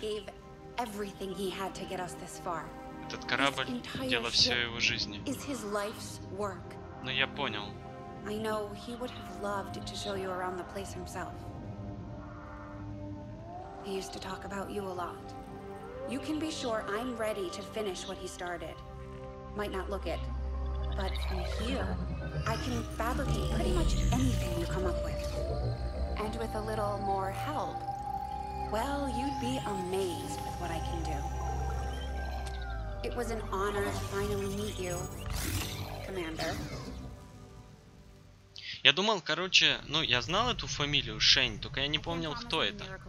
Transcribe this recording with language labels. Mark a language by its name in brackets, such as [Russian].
[English] Gave everything he had to get us this far. [Russian] Этот корабль – дело всей его жизни. [English] Is his life's work. [Russian] Но я понял. [English] I know he would have loved to show you around the place himself. He used to talk about you a lot. You can be sure I'm ready to finish what he started. Might not look it, but from here, I can fabricate pretty much anything you come up with. And with a little more help, well, you'd be amazed with what I can do. It was an honor to finally meet you, Commander. [Russian] Я думал, короче, ну, я знал эту фамилию Шейн, только я не помнил, кто это.